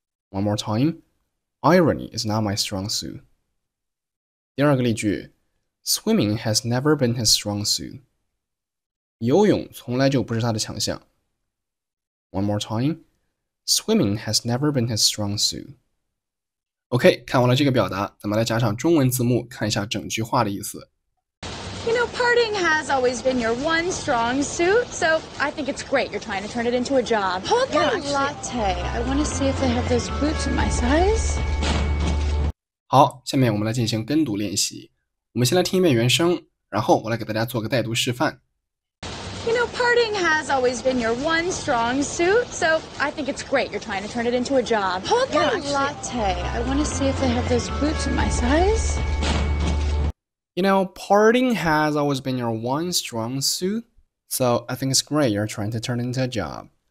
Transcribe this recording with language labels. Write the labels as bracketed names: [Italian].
[English] One more time，irony is not my strong suit。 [Chinese] 第二个例句 [English] ，swimming has never been his strong suit， [Chinese] 游泳从来就不是他的强项。 [English] One more time, swimming has never been his strong suit. [Chinese] OK, 看完了这个表达，咱们来加上中文字幕，看一下整句话的意思。 [English] You know, partying has always been your one strong suit, so I think it's great you're trying to turn it into a job. Hold on, latte. I want to see if they have those boots in my size. [Chinese] 好，下面我们来进行跟读练习。我们先来听一遍原声，然后我来给大家做个带读示范。 [English] You know, partying has always been your one strong suit, so I think it's great you're trying to turn it into a job. Hold on, latte. I want to see if they have those boots in my size. You know, partying has always been your one strong suit, so I think it's great you're trying to turn it into a job.